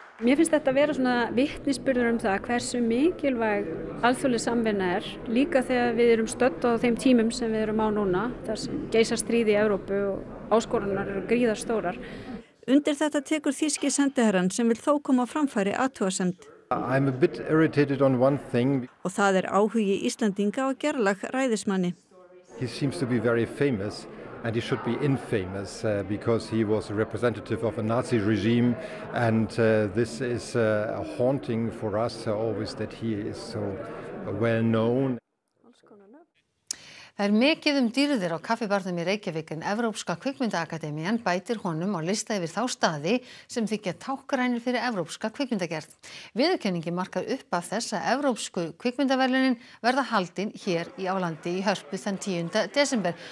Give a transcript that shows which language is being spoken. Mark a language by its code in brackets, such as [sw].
[is] Mér finnst þetta vera svona vitnisburður það hversu mikilvæg alþjóðleg samvinna líka þegar við erum stödd á þeim tímum sem við erum á núna, þar sem geisar stríð í Evrópu og áskorunar eru gríðar stórar. Undir þetta tekur þýski sendiherrann sem vill þó koma framfæri athugasemd. [en] I'm a bit irritated on one thing. [is] Og það áhugi Íslendinga á Gerlach ræðismanni. [en] He seems to be very famous. And he should be infamous because he was a representative of a Nazi regime and this is a haunting for us always that he is so well known. [is] Það mikið dýrðir á kaffibarnum í Reykjavík en Evrópska kvikmyndaakademían bætir honum á lista yfir þá staði sem þykja táknrænir fyrir evrópska kvikmyndagerð. Viðurkenningin markar upp af þess að evrópsku kvikmyndaverlunin verða haldin hér í álandi í Hörpu þann 10. desember.